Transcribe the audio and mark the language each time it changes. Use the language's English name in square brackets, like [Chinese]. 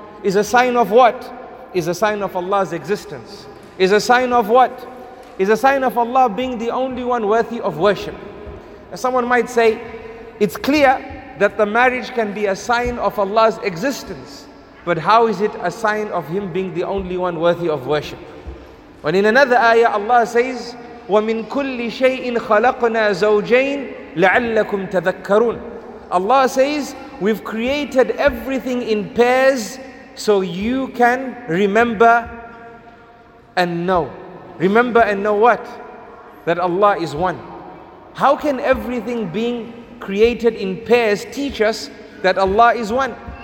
[English] Is a sign of what? Is a sign of Allah's existence. Is a sign of what? Is a sign of Allah being the only one worthy of worship. Now someone might say, it's clear that the marriage can be a sign of Allah's existence, but how is it a sign of Him being the only one worthy of worship? When in another ayah Allah says, [Arabic] وَمِن كُلِّ شَيْءٍ خَلَقْنَا زَوْجَيْنِ لَعَلَّكُمْ تَذَكَّرُونَ. [English] Allah says, we've created everything in pairs so you can remember and know. Remember and know what? That Allah is one. How can everything being created in pairs teach us that Allah is one?